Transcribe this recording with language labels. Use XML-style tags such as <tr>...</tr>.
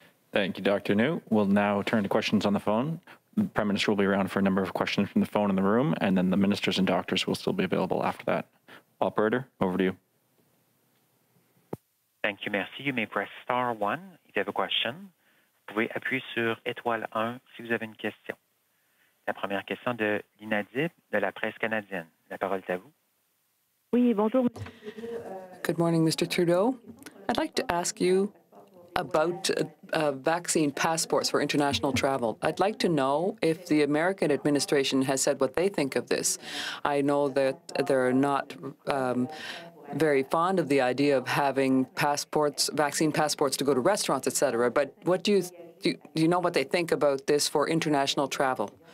<en>Thank you, Dr. Njoo. We'll now turn to questions on the phone. The Prime Minister will be around for a number of questions from the phone in the room, and then the ministers and doctors will still be available after that. Operator, over to you. Thank you, merci. You may press star 1 if you have a question.</en> <fr>Vous pouvez appuyer sur étoile 1 si vous avez une question. La première question de l'INADIB de la presse canadienne. La parole est à vous. Oui, bonjour.</fr> <en>Good morning, Mr. Trudeau. I'd like to ask you about vaccine passports for international travel. I'd like to know if the American administration has said what they think of this. I know that they're not very fond of the idea of having passports, vaccine passports to go to restaurants, et cetera, but what do you know what they think about this for international travel?</en>